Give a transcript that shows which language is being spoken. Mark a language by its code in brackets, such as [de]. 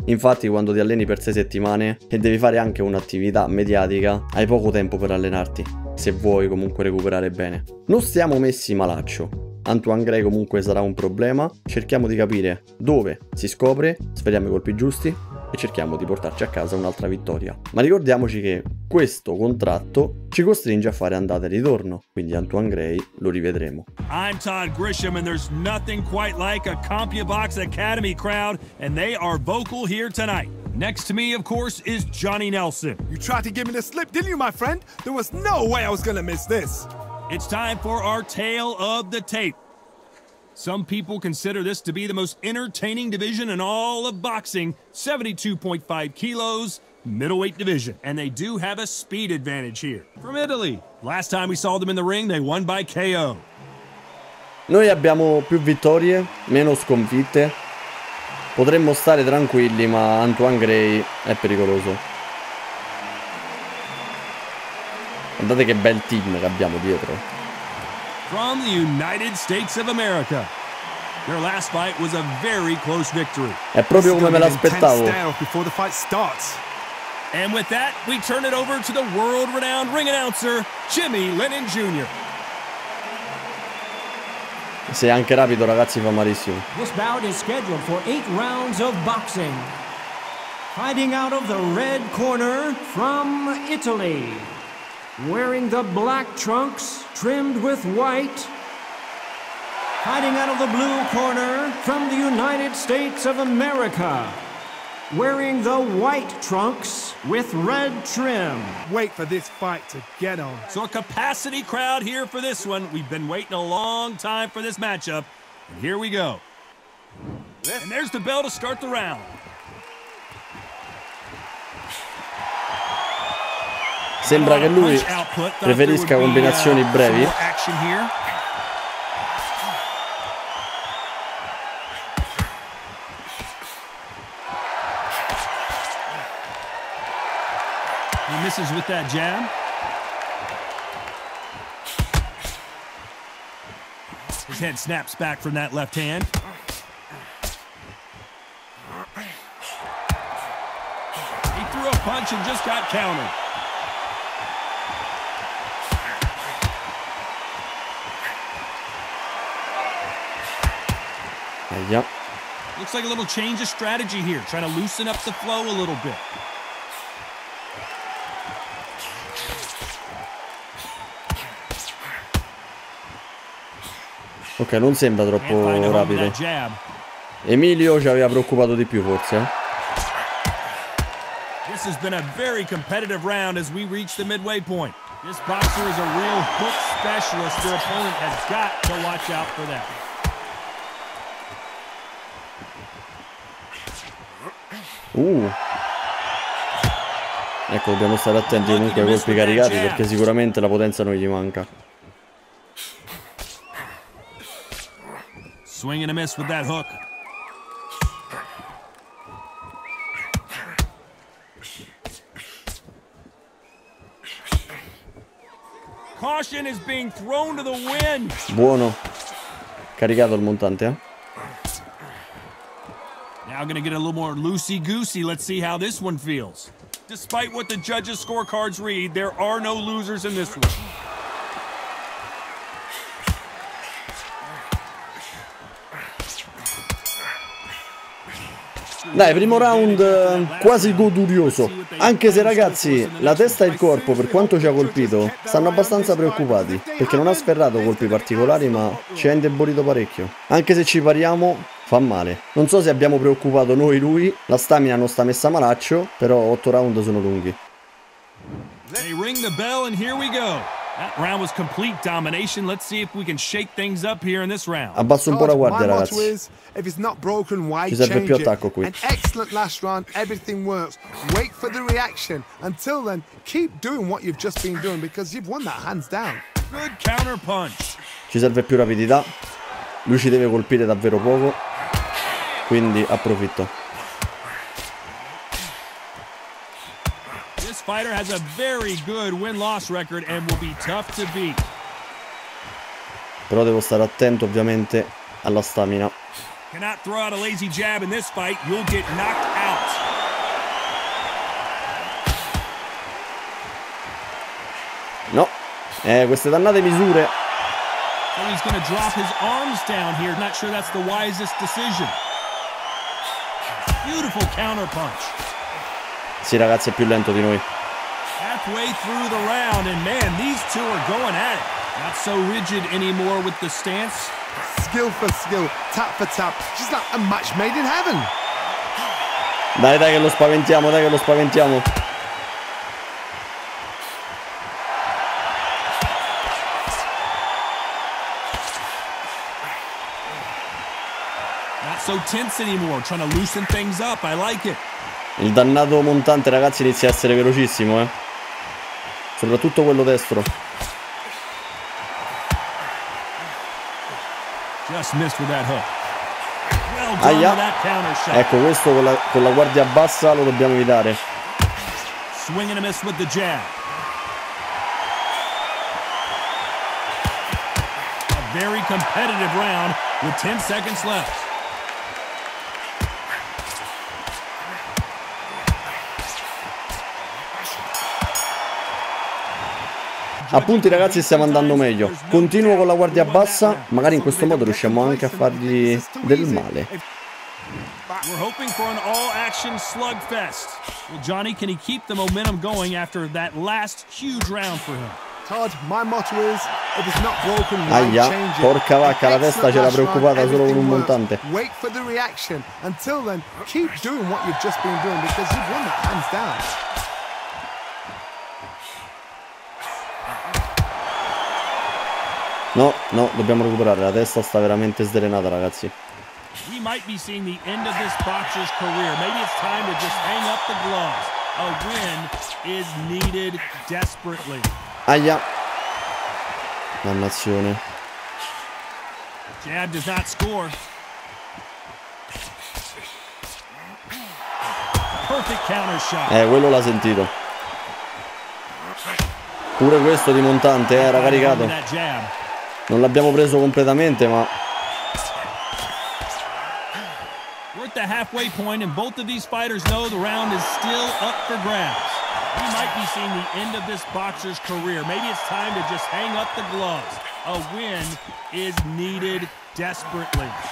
[it] Infatti quando ti alleni per 6 settimane e devi fare anche un'attività mediatica, hai poco tempo per allenarti, se vuoi comunque recuperare bene. Non stiamo messi malaccio. Antoine Gray comunque sarà un problema. Cerchiamo di capire dove si scopre, sveliamo i colpi giusti e cerchiamo di portarci a casa un'altra vittoria. Ma ricordiamoci che questo contratto ci costringe a fare andata e ritorno, quindi Antoine Gray lo rivedremo. [en] I'm Todd Grisham and there's nothing quite like a CompuBox Academy crowd and they are vocal here tonight. Next to me, of course, is Johnny Nelson. You tried to give me the slip, didn't you, my friend? There was no way I was gonna miss this. It's time for our tale of the tape. Some people consider this to be the most entertaining division in all of boxing, 72.5 kilos, middleweight division. And they do have a speed advantage here. From Italy, last time we saw them in the ring, they won by KO. [it] Noi abbiamo più vittorie, meno sconfitte. Potremmo stare tranquilli, ma Antoine Gray è pericoloso. Guardate che bel team che abbiamo dietro. [en] From the United States of America. Their last fight was a very close victory. [it] È proprio come me l'aspettavo. [en] Before the fight starts. And with that, we turn it over to the world-renowned ring announcer, Jimmy Lennon Jr. [it] Sei anche rapido, ragazzi, fa malissimo. [en] This bout is scheduled for 8 rounds of boxing. Fighting out of the red corner from Italy. Wearing the black trunks trimmed with white. Fighting out of the blue corner from the United States of America. Wearing the white trunks with red trim. Wait for this fight to get on. So a capacity crowd here for this one. We've been waiting a long time for this matchup. And here we go. And there's the bell to start the round. [it] Sembra che lui preferisca combinazioni brevi. [en] He misses with that jab. His head snaps back from that left hand. He threw a punch and just got countered. Yep. Looks like a little change of strategy here, trying to loosen up the flow a little bit. [it] Ok, non sembra troppo rapido. Emilio ci aveva preoccupato di più, forse. [en] This has been a very competitive round as we reach the midway point. This boxer is a real hook specialist. Their opponent has got to watch out for that. [it] Ecco, dobbiamo stare attenti comunque ai colpi caricati perché sicuramente la potenza non gli manca. [en] Swing and a miss with that hook. Caution is being thrown to the wind. [it] Buono. Caricato il montante, eh? [en] Now gonna get a little more loosey-goosey. Let's see how this one feels. Despite what the judges' scorecards read, there are no losers in this one. [it] Dai, primo round quasi godurioso. Anche se, ragazzi, la testa e il corpo, per quanto ci ha colpito, stanno abbastanza preoccupati, perché non ha sferrato colpi particolari, ma ci ha indebolito parecchio. Anche se ci pariamo, fa male. Non so se abbiamo preoccupato noi lui, la stamina non sta messa malaccio, però 8 round sono lunghi. [en] They ring the bell and here we go. That round was complete domination. Let's see if we can shake things up here in this round. [it] Abbasso un po' la guardia, ragazzi. [en] If it's not broken, why change it? [it] Ci serve più attacco qui. [en] An excellent last round. Everything works. Wait for the reaction. Until then, keep doing what you've just been doing because you've won that hands down. Good counter punch. [it] Ci serve più rapidità. Lui ci deve colpire davvero poco. Quindi approfitto. [en] This fighter has a very good win-loss record and will be tough to beat. [it] Però devo stare attento ovviamente alla stamina. [en] Cannot throw out a lazy jab in this fight, you'll get knocked out. [it] No. Queste dannate misure. [en] Or he's going to drop his arms down here. Not sure that's the wisest decision. Beautiful counterpunch. [it] Sì, ragazzi, è più lento di noi. [en] Halfway through the round, and man, these two are going at it. Not so rigid anymore with the stance. Skill for skill, tap for tap. Just like a match made in heaven. [it] Dai, dai, che lo spaventiamo, dai, che lo spaventiamo. [en] So tense anymore, trying to loosen things up. I like it. [it] Il dannato montante, ragazzi, inizia a essere velocissimo, eh. Soprattutto quello destro. [en] Just missed with that hook. Well done with that counter shot. [it] Ecco, questo con la guardia bassa lo dobbiamo evitare. [en] Swing and a miss with the jab. A very competitive round with 10 seconds left. [it] Appunti, ragazzi, stiamo andando meglio. Continuo con la guardia bassa. Magari in questo modo riusciamo anche a fargli del male. [en] We're hoping for an all-action slugfest. Well, Johnny, can he keep the momentum going after that last huge round for him? Todd, my motto is, if it's not broken, [it] aia, porca vacca, la testa ce l'ha preoccupata solo con un montante. [en] Wait for the reaction. Until then, keep doing what you've just been doing because you've won that hands down. [it] No, no, dobbiamo recuperare. La testa sta veramente sdrenata, ragazzi. [en] He might be seeing the end of this boxer's career. Maybe it's time to just hang up the gloves. A win is needed desperately. [it] Aia. Dannazione. [en] Jab does not score. Perfect counter shot. [it] Quello l'ha sentito. Pure questo di montante, era caricato. Non l'abbiamo preso completamente, ma [en] we're at the halfway point and both of these fighters know the round is still up for grabs. We might be seeing the end of this boxer's career. Maybe it's time to just hang up the gloves. A win is needed desperately.